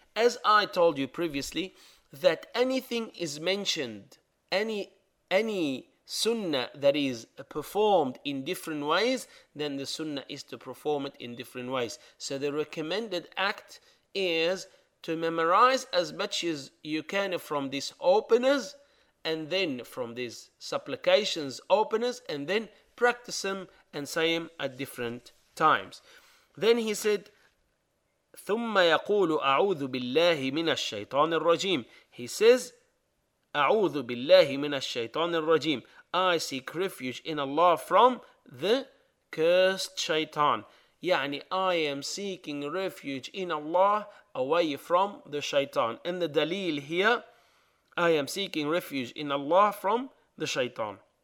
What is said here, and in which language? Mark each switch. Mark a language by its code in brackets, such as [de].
[en] As I told you previously, that anything is mentioned, any sunnah that is performed in different ways, then the sunnah is to perform it in different ways. So the recommended act is to memorize as much as you can from these openers, and then from these supplications openers, and then practice them and say them at different times. Then he said, [ar] ثُمَّ يَقُولُ أَعُوذُ بِاللَّهِ مِنَ الشَّيْطَانِ الرَّجِيمِ. [en] He says, [ar] أَعُوذُ بِاللَّهِ مِنَ الشَّيْطَانِ الرَّجِيمِ. [en] I seek refuge in Allah from the cursed shaitan. يعني I am seeking refuge in Allah away from the shaitan. And the dalil here, I am seeking refuge in Allah from the shaitan.